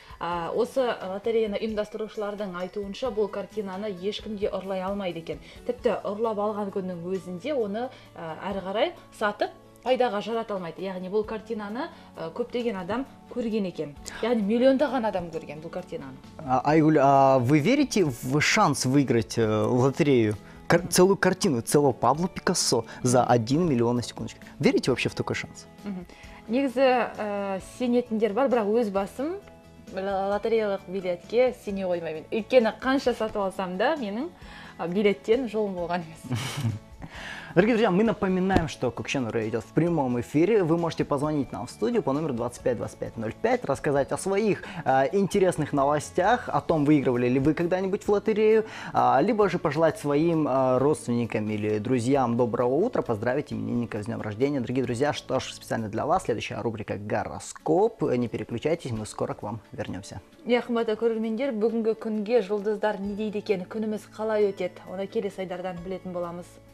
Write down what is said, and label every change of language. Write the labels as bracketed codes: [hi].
[kk] Осы лотереяны ұйымдастырушылардың айтуынша, бұл картинаны ешкімге ұрлай алмайды екен. Тіпті ұрлап алған күннің өзінде оны әрі қарай сатып пайдаға жарата алмайды. Яғни бұл картинаны көптеген адам көрген екен. Яғни миллиондаған адам көрген бұл картинаны. [ru] Айгуль, а вы верите в шанс выиграть лотерею? Целую картину, целого Пабло Пикассо за 1 миллион на секундочку. Верите вообще в такой шанс? [kk] Негізі сенетіндер бар, бірақ өз басым лотереялық билетке сене қоймаймын. Өйткені қанша сатып алсам да, менің билеттен жолым болған емес. [ru] Дорогие друзья, мы напоминаем, что Кокшенура идет в прямом эфире. Вы можете позвонить нам в студию по номеру 252505, рассказать о своих интересных новостях, о том, выигрывали ли вы когда-нибудь в лотерею, либо же пожелать своим родственникам или друзьям доброго утра, поздравить именинника с днем рождения. Дорогие друзья, что ж, специально для вас следующая рубрика «Гороскоп». Не переключайтесь, мы скоро к вам вернемся. [kk] Яхмата көрермендер, бүгінгі күнге жұлдыздар не дейді екен, күніміз қалай өтет, оны келесі айдардан білетін боламыз.